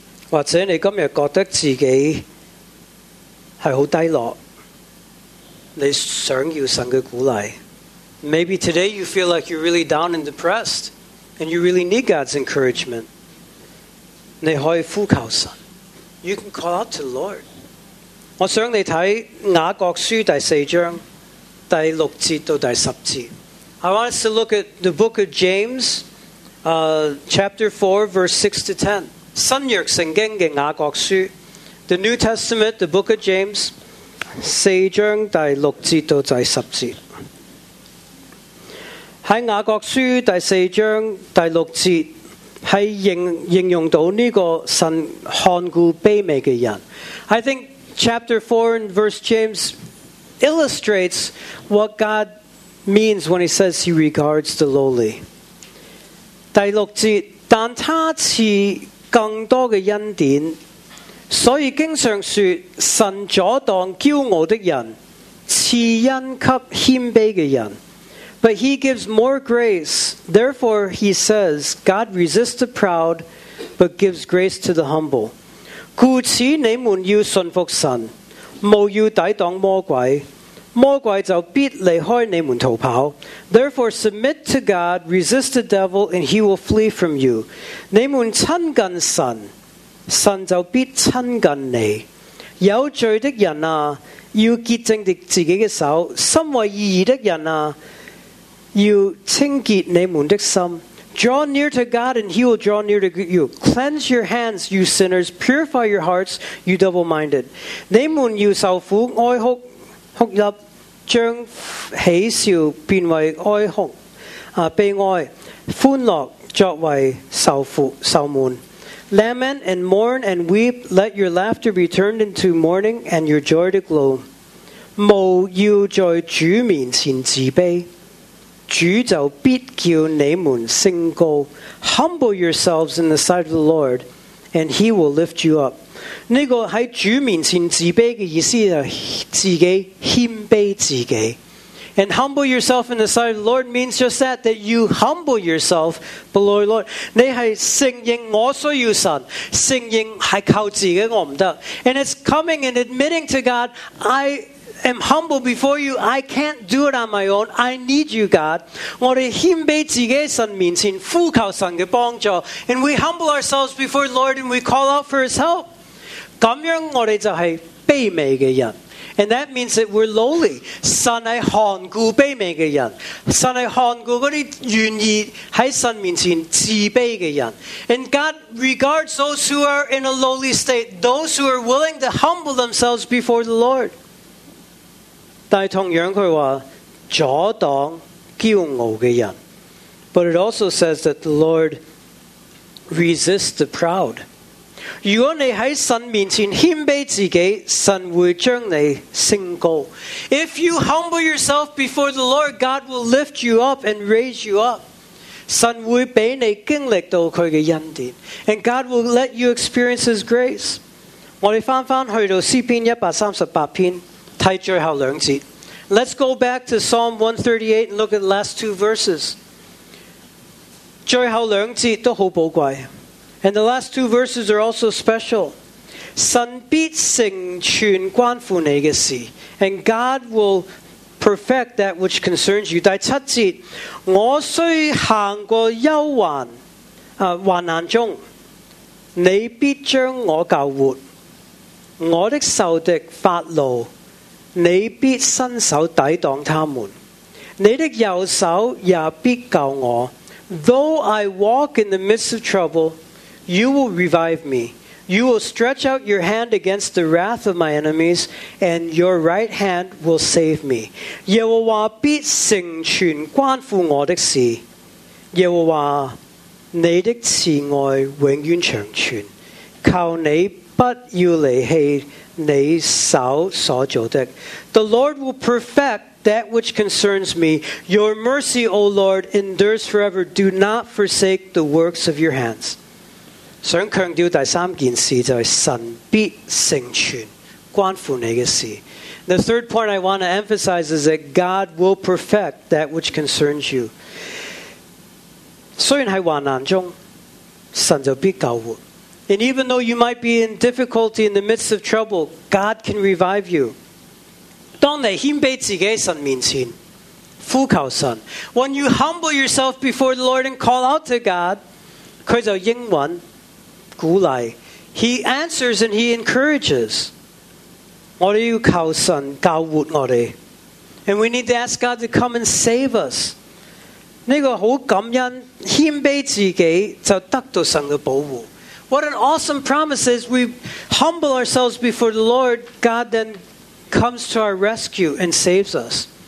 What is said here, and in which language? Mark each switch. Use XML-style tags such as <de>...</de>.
<zh>或者你今天觉得自己是很低落，你想要神的鼓励。</zh> <en>Maybe today you feel like you're really down and depressed and you really need God's encouragement.</en> <zh>你可以呼求神。</zh> <en>You can call out to the Lord.</en> <zh>我想你睇雅各书第四章第六节到第十节。</zh> <en>I want us to look at the book of James, chapter 4, verse 6 to 10.</en> <zh>新约圣经的雅各书。</zh> <en>The New Testament, the book of James,</en> <zh>四章第六节到第十节。在雅各书第四章第六节是形容到这个神看顾卑微的人。</zh> <en>I think chapter 4 and verse James illustrates what God means when he says he regards the lowly.</en> <zh>第六节，但他赐更多的恩典，所以经常说神阻挡骄傲的人，赐恩给谦卑的人。</zh> <en>But he gives more grace. Therefore, he says, God resists the proud, but gives grace to the humble.</en> <zh>故此你们要信服神，务要抵挡魔鬼，魔鬼就必离开你们逃跑。</zh> <en>Therefore, submit to God, resist the devil, and he will flee from you.</en> <zh>你们亲近神，神就必亲近你。有罪的人啊，要洁净自己的手；心怀义义的人啊。</zh> <en>You</en> <zh>清洁你们的心</zh> <en>Draw near to God and he will draw near to you. Cleanse your hands, you sinners. Purify your hearts, you double-minded.</en> <zh>你们要受苦哀哭哭泣，将喜笑变为哀哭悲哀，欢乐作为受苦受闷。</zh> <en>Lament and mourn and weep. Let your laughter be turned into mourning and your joy to gloom.</en> <zh>务要在主面前自卑。主就必叫你们升高。</zh> <en>Humble yourselves in the sight of the Lord, and he will lift you up.</en> <zh>这个在主面前自卑的意思是自己谦卑自己。</zh> <en>And humble yourself in the sight of the Lord means just that you humble yourself below the Lord.</en> <zh>你是承认我需要神，承认是靠自己我不得。</zh> <en>And it's coming and admitting to God, I'm humble before you. I can't do it on my own. I need you, God.</en> <zh>我们谦卑自己神面前，呼求神的帮助。</zh> <en>And we humble ourselves before the Lord and we call out for his help.</en> <zh>这样我们就是卑微的人。</zh> <en>And that means that we're lowly.</en> <zh>神是看顾卑微的人，神是看顾那些愿意在神面前自卑的人。</zh> <en>And God regards those who are in a lowly state, those who are willing to humble themselves before the Lord.</en> <zh>但同样他说阻挡骄傲的人。</zh> <en>But it also says that the Lord resists the proud.</en> <zh>如果你在神面前谦卑自己，神会将你升高。</zh> <en>If you humble yourself before the Lord, God will lift you up and raise you up.</en> <zh>神会给你经历到祂的恩典，</zh> <en>and God will let you experience His grace.</en> <zh>我们翻翻去到诗篇138篇，睇最后两节。</zh> <en>Let's go back to Psalm 138 and look at the last two verses.</en> <zh>最后两节都好宝贵。</zh> <en>And the last two verses are also special.</en> <zh>神必成全关乎你的事，</zh> <en>and God will perfect that which concerns you.</en> <zh>第七节，我虽行过忧患，患难中，你必将我救活。我的仇敌发怒，你必伸手抵挡他们。你的右手也必救我。</zh> <en>Though I walk in the midst of trouble,You will revive me. You will stretch out your hand against the wrath of my enemies, and your right hand will save me.</en> <zh>耶和华必成全关乎我的事。耶和华，你的慈爱永远长存。求你不要离弃你手所做的。</zh> <en>The Lord will perfect that which concerns me. Your mercy, O Lord, endures forever. Do not forsake the works of your hands.</en> <zh>想强调第三件事就是神必成全关乎你的事。</zh> <en>The third point I want to emphasize is that God will perfect that which concerns you.</en> <zh>虽然在患难中，神就必救活。</zh> <en>And even though you might be in difficulty in the midst of trouble, God can revive you.</en> <zh>当你谦卑自己神面前，呼求神。</zh> <en>When you humble yourself before the Lord and call out to God,</en> <zh>祂就应允鼓励。</zh> <en>He answers and He encourages.</en> <zh>我们要求神救活我们。</zh> <en>And we need to ask God to come and save us.</en> <zh>这个好感恩，谦卑自己就得到神的保护。</zh> <en>What an awesome promise is we humble ourselves before the Lord, God then comes to our rescue and saves us.</en>